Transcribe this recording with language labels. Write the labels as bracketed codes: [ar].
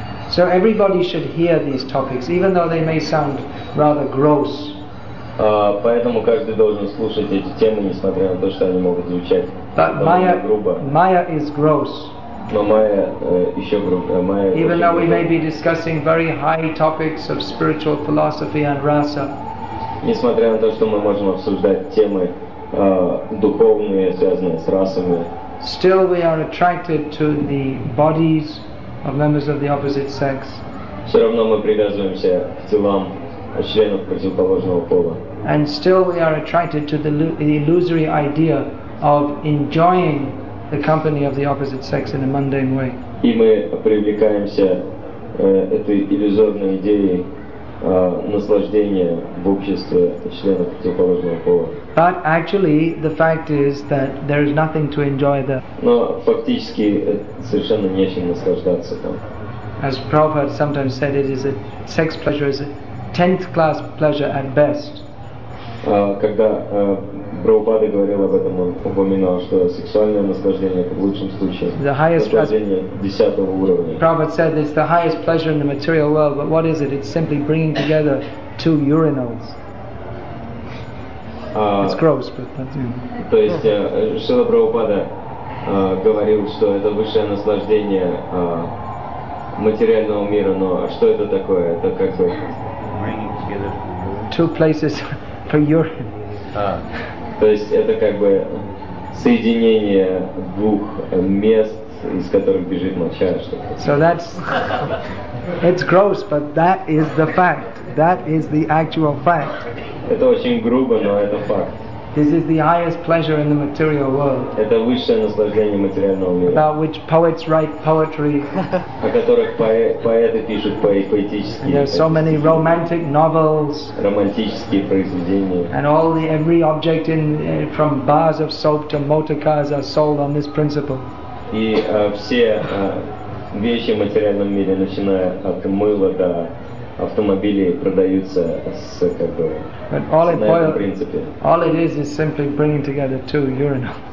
[en] So everybody should hear these topics, even though they may sound rather gross. [ru] Поэтому каждый должен слушать эти темы, несмотря на то, что они могут звучать довольно грубо. [en] Майя is gross. [ru] Но майя еще грубее. Майя. [en] Even though we may be discussing very high topics of spiritual philosophy and rasa. [ru] Несмотря на то, что мы можем обсуждать темы духовные, связанные с расами. [en] Still we are attracted to the bodies of members of the opposite sex. [ru] Все равно мы привязываемся к телам членов противоположного пола. [en] And still we are attracted to the illusory idea of enjoying the company of the opposite sex in a mundane way. [ru] И мы привлекаемся этой иллюзорной идеей наслаждения в обществе членов противоположного пола. [en] But actually, the fact is that there is nothing to enjoy there. [ru] Но фактически совершенно нечем наслаждаться там. [en] As Prabhupada sometimes said, it is a sex pleasure, is a tenth-class pleasure at best. [ru] Когда Прабхупада говорил об этом, он упоминал, что сексуальное наслаждение это в лучшем случае наслаждение десятого уровня. [en] Prabhupada said it's the highest pleasure in the material world, but what is it? It's simply bringing together two urinals. It's gross, but that's [ru] То есть Шрила Прабхупада говорил, что это высшее наслаждение материального мира, но что это такое? Это как бы [en] two places for urine. [ru] То есть это как бы соединение двух мест, из которых бежит моча, что-то. [en] So that's it's gross, but that is the fact. That is the actual fact. [ru] Это очень грубо, но это факт. [en] This is the highest pleasure in the material world. [ru] Это высшее наслаждение материального мира. [en] About which poets write poetry. [ru] О которых поэты пишут поэтические. [en] There are so many romantic novels. [ru] Романтические произведения. [en] And all the every object in from bars of soap to motor cars are sold on this principle. [ru] И все вещи в материальном мире, начиная от мыла до автомобили продаются с как бы на принципе. [en] All it is simply bringing together two urinals.